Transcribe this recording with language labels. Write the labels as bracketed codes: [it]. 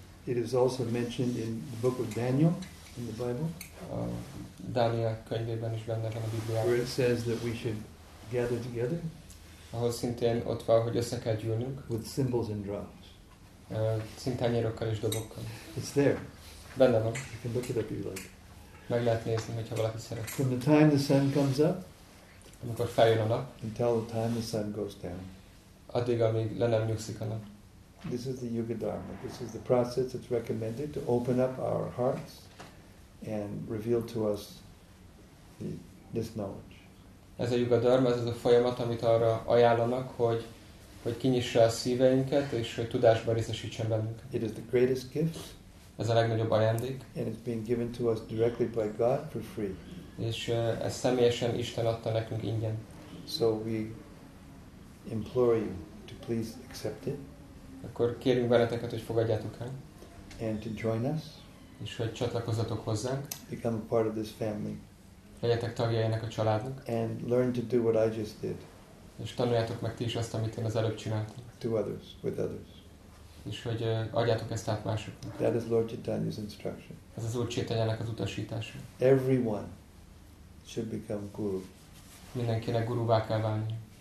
[en] It is also mentioned in the book of Daniel in the Bible. [hu] Dániel könyvében is benne van a Bibliában. [en] Where it says that we should gather together. [hu] Ahol szintén ott van, hogy össze kell gyűlnünk. [en] With cymbals and drums. [hu] Szintányérokkal és dobokkal. [en] It's there. [hu] Benne van. [en] You can look it up if you like. [hu] Meg lehet nézni, hogyha valaki szeret. [en] From the time the sun comes up. [hu] Amikor feljön a nap. [en] Until the time the sun goes down. [hu] Addig, amíg le nem nyugszik a nap. [en] This is the Yuga Dharma. This is the process that's recommended to open up our hearts and reveal to us this knowledge. [hu] Ez a Yuga Dharma, ez az a folyamat, amit arra ajánlanak, hogy kinyissa a szíveinket, és hogy tudásba részesítsen bennünket. [en] It is the greatest gift. [hu] Ez a legnagyobb ajándék. [en] And it's being given to us directly by God for free. [hu] És ez személyesen Isten adta nekünk ingyen. [en] So we implore you to please accept it. [hu] Akkor kérünk benneteket, hogy fogadjátok el. [en] And to join us. [hu] És hogy csatlakozzatok hozzánk. [en] Become a part of this family. [hu] Legyetek tagjai ennek a családnak. [en] And learn to do what I just did. [hu] És tanuljátok meg ti is azt, amit én az előbb csináltam. [en] To others, with others. [hu] És hogy adjátok ezt át másoknak. [en] That is Lord Chaitanya's instruction. [hu] Ez az Úr Chaitanyának az utasítása. [en] Everyone should become guru. [hu] Mindenkinek guruvá kell válni.